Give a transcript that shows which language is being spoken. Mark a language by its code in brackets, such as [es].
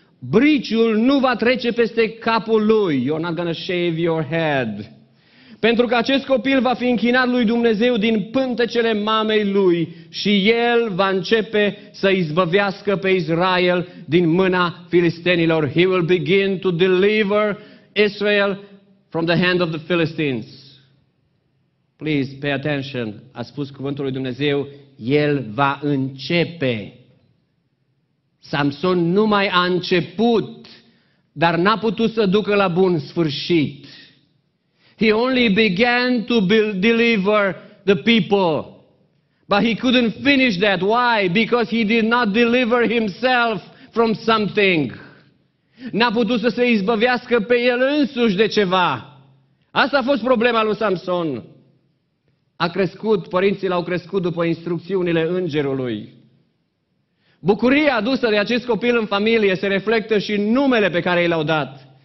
[ro] Briciul nu va trece peste capul lui. [en] You're not gonna shave your head. [ro] Pentru că acest copil va fi închinat lui Dumnezeu din pântecele mamei lui și el va începe să izbăvească pe Israel din mâna filistenilor. [en] He will begin to deliver Israel from the hand of the Philistines. Please pay attention. [ro] A spus cuvântul lui Dumnezeu, el va începe. Samson nu mai a început, dar n-a putut să ducă la bun sfârșit. [en] He only began to deliver the people. But he couldn't finish that. Why? Because he did not deliver himself from something. [ro] N-a putut să se izbăvească pe el însuși de ceva. Asta a fost problema lui Samson. A crescut, părinții l-au crescut după instrucțiunile îngerului. Bucuria adusă de acest copil în familie se reflectă și în numele pe care i l-au dat.